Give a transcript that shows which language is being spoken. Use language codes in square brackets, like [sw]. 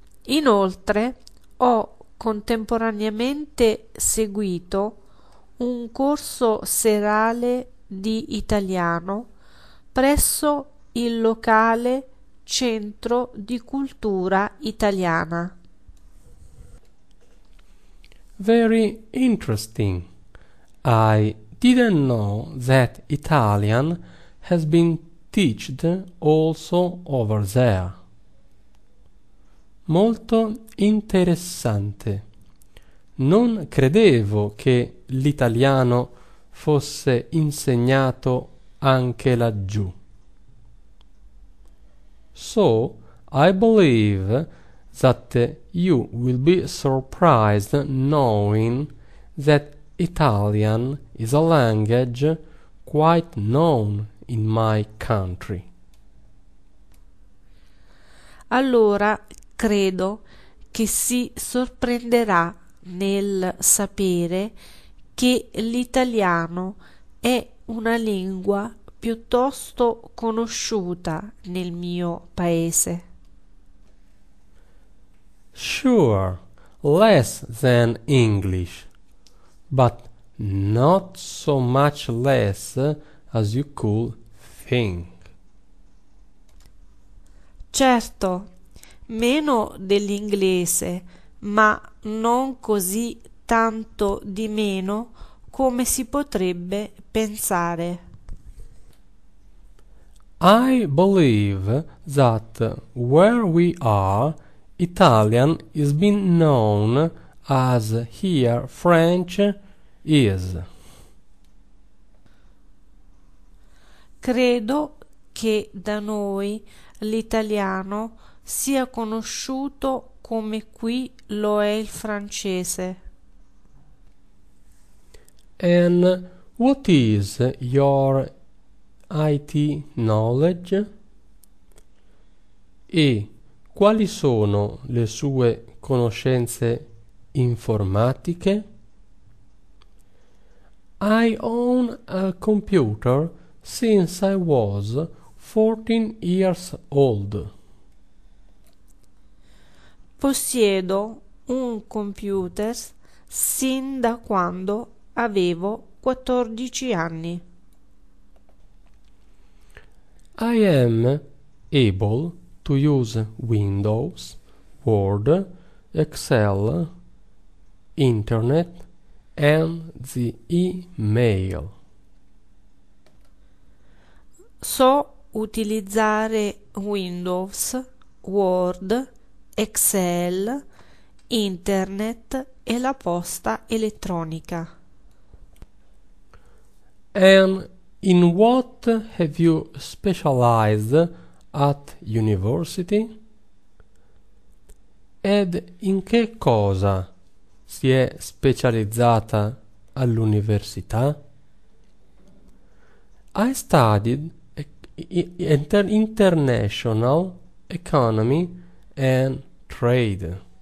[it] Inoltre, ho contemporaneamente seguito un corso serale di italiano presso il locale Centro di Cultura Italiana. [en] Very interesting. I didn't know that Italian has been taught also over there. [it] Molto interessante. Non credevo che l'italiano fosse insegnato anche laggiù. [en] So, I believe that you will be surprised knowing that Italian is a language quite known in my country. [it] Allora credo che si sorprenderà nel sapere che l'italiano è una lingua piuttosto conosciuta nel mio paese. [en] Sure, less than English, but not so much less as you could think. [it] Certo, meno dell'inglese, ma non così tanto di meno come si potrebbe pensare. [en] I believe that where we are, Italian is being known as here French is. [it] Credo che da noi l'italiano sia conosciuto come qui lo è il francese. [en] And what is your IT knowledge? [it] Quali sono le sue conoscenze informatiche? [en] I own a computer since I was 14 years old. [it] Possiedo un computer sin da quando avevo 14 anni. [en] I am able to use Windows, Word, Excel, Internet and the email. [it] So utilizzare Windows, Word, Excel, internet e la posta elettronica. [en] And in what have you specialized at university? [it] Ed in che cosa si è specializzata all'università? [en] I studied international economy and trade.